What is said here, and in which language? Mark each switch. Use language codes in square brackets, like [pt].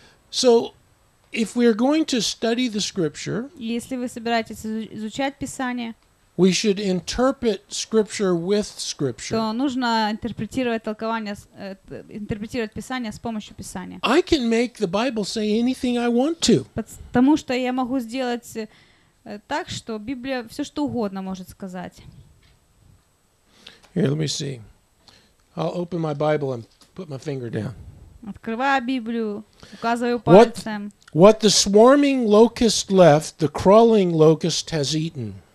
[en] So, if we are going to study the scripture, [ru] если вы собираетесь изучать Писание, [en] we should interpret scripture with scripture. [ru] То нужно интерпретировать толкование, интерпретировать Писание с помощью Писания. [en] I can make the Bible say anything I want to. [ru] Потому что я могу сделать так, что Библия все что угодно может сказать. [en] Here, let me see. I'll open my Bible and put my finger down. [ru] Открываю Библию, указываю пальцем. [en] What the swarming locust left, the crawling locust has eaten.